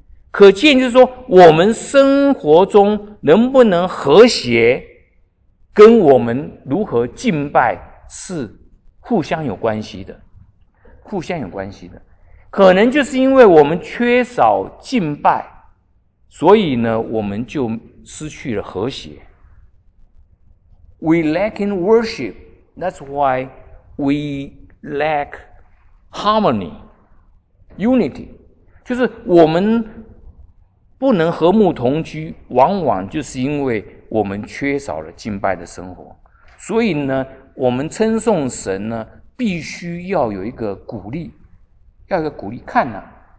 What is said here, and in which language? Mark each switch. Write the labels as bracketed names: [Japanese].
[Chinese] 可见就是说，我们生活中能不能和谐，跟我们如何敬拜是互相有关系的，互相有关系的。可能就是因为我们缺少敬拜，所以呢，我们就失去了和谐。 [English] We lack in worship, that's why we lack harmony, unity. [Chinese] 就是我们不能和睦同居，往往就是因为我们缺少了敬拜的生活。所以呢，我们称颂神呢，必须要有一个鼓励，要有鼓励看呢、啊。